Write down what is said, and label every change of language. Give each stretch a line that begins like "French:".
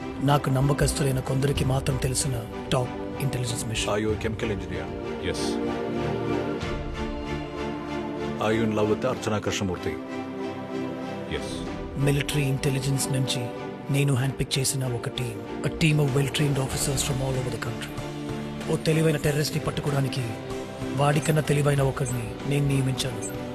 Telugu: నాకు నమ్మకస్తులైన కొందరికి మాత్రం తెలిసిన top intelligence machine.
English: Are you a chemical engineer? Yes. Are you in love with Archana Krishnamurthy? Yes.
Telugu: Military intelligence నుంచి నేను hand pick చేసిన ఒక team,
English: A team of well trained officers from all over the country.
Telugu: ఓ తెలివైన terrorist ని పట్టుకోవడానికి వాడికన్నా తెలివైన ఒకరిని నేను నియమించాను.